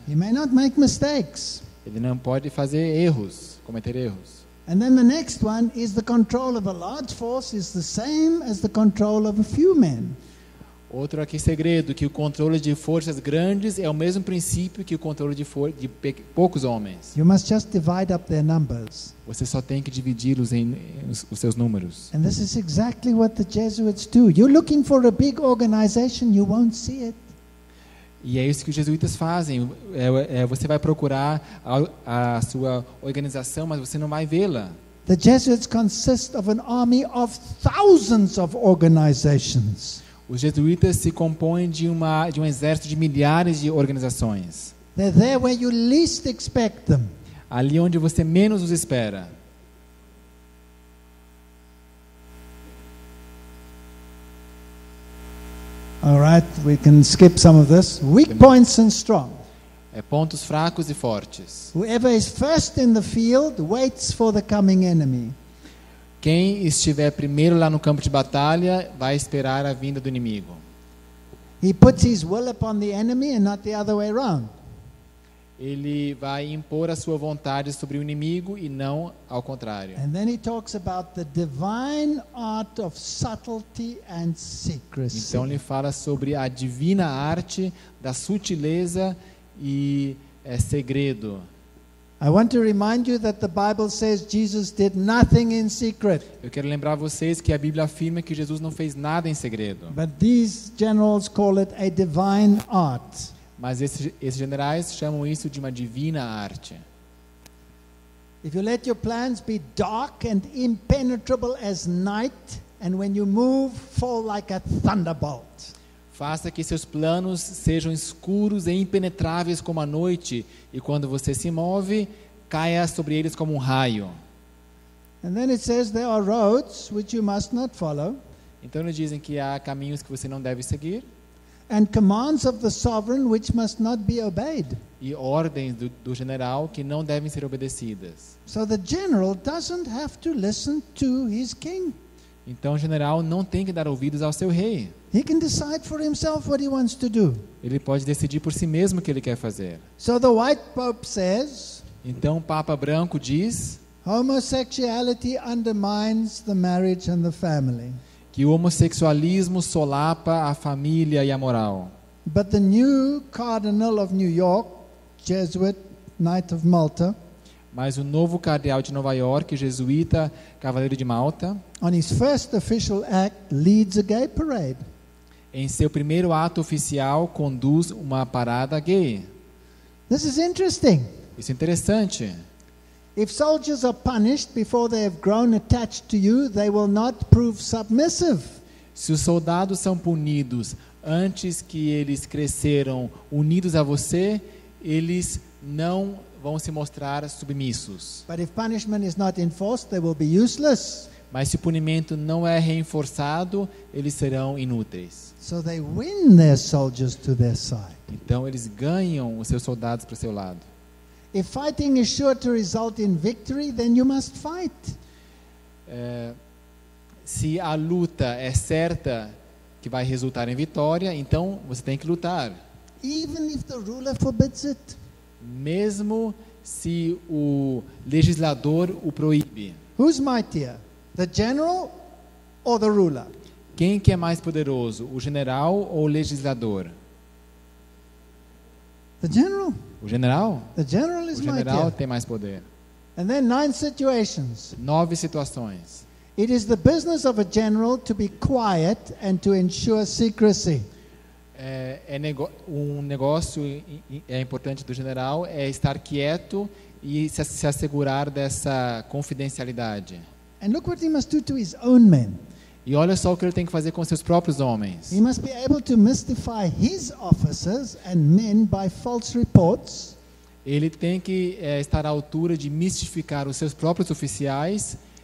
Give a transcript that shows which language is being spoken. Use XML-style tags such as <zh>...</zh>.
<en>He may not make mistakes.</en> <pt>Ele não pode fazer erros, cometer erros.</pt> <en>And then the next one is the control of a large force is the same as the control of a few men.</en> <pt>Outro aqui segredo, que o controle de forças grandes é o mesmo princípio que o controle de poucos homens.</pt> <en>You must just divide up their numbers.</en> <pt>Você só tem que dividi-los em os seus números.</pt> <en>And this is exactly what the Jesuits do. You're looking for a big organization, you won't see it.</en> <pt>E é isso que os jesuítas fazem. Você vai procurar a sua organização, mas você não vai vê-la.</pt> <en>The Jesuits consist of an army of thousands of organizations.</en> <pt>Os jesuítas se compõem de um exército de milhares de organizações.</pt> <en>They're there where you least expect them.</en> <pt>Ali onde você menos os espera.</pt> <en>All right, we can skip some of this. Weak points and strong.</en> <pt>Pontos fracos e fortes.</pt> <en>Whoever is first in the field waits for the coming enemy.</en> <pt>Quem estiver primeiro lá no campo de batalha vai esperar a vinda do inimigo.</pt> <en>He puts his will upon the enemy and not the other way around.</en> <pt>Ele vai impor a sua vontade sobre o inimigo e não ao contrário.</pt> <en>And then he talks about the divine art of subtlety and secrecy.</en> <pt>Então ele fala sobre a divina arte da sutileza e segredo.</pt> <en>I want to remind you that the Bible says Jesus did nothing in secret.</en> <pt>Eu quero lembrar vocês que a Bíblia afirma que Jesus não fez nada em segredo.</pt> <en>But these generals call it a divine art.</en> <pt>Mas esses generais chamam isso de uma divina arte.</pt> <en>If you let your plans be dark and impenetrable as night, and when you move, fall like a thunderbolt.</en> <pt>Faça que seus planos sejam escuros e impenetráveis como a noite, e quando você se move, caia sobre eles como um raio.</pt> <en>And then it says there are roads which you must not follow.</en> <pt>Então eles dizem que há caminhos que você não deve seguir.</pt> <en>And commands of the sovereign which must not be obeyed.</en> <pt>E ordens do general que não devem ser obedecidas.</pt> <en>So the general doesn't have to listen to his king.</en> <pt>Então o general não tem que dar ouvidos ao seu rei.</pt> <en>He can decide for himself what he wants to do.</en> <pt>Ele pode decidir por si mesmo o que ele quer fazer.</pt> <en>So the white pope says.</en> <pt>Então o Papa Branco diz.</pt> <en>Homosexuality undermines the marriage and the family.</en> <pt>Que o homossexualismo solapa a família e a moral.</pt> <en>But the new cardinal of New York, Jesuit, Knight of Malta.</en> <pt>Mas o novo cardeal de Nova York, jesuíta, cavaleiro de Malta.</pt> <en>On his first official act, leads a gay parade.</en> <pt>Em seu primeiro ato oficial, conduz uma parada gay.</pt> <en>This is interesting.</en> <pt>Isso é interessante.</pt> <en>If soldiers are punished before they have grown attached to you, they will not prove submissive.</en> <pt>Se os soldados são punidos antes que eles cresceram unidos a você, eles não vão se mostrar submissos.</pt> <en>But if punishment is not enforced, they will be useless.</en> <pt>Mas se o punimento não é reforçado, eles serão inúteis.</pt> <en>So they win their soldiers to their side.</en> <pt>Então eles ganham os seus soldados para o seu lado.</pt> <en>If fighting is sure to result in victory, then you must fight.</en> <pt>Se a luta é certa que vai resultar em vitória, então você tem que lutar.</pt> <en>even if the ruler forbids it.</en> <pt>Mesmo se o legislador o proíbe.</pt> <en>Who's mightier, the general or the ruler?</en> <pt>Quem que é mais poderoso, o general ou o legislador?</pt> <en>The general.</en> <pt>O general?</pt> <en>The general is</en> <pt>mightier. O general tem mais poder.</pt> <en>And then 9 situations.</en> <pt>9 situações.</pt> <en>It is the business of a general to be quiet and to ensure secrecy.</en> <pt>É importante do general é estar quieto e se assegurar dessa confidencialidade.</pt> <en>And look what he must do to his own men.</en> <pt>E olha só o que ele tem que fazer com seus próprios homens.</pt> <en>He must be able to mystify his officers and men by false reports.</en> <pt>Ele tem que estar à altura de mistificar os seus próprios oficiais</pt>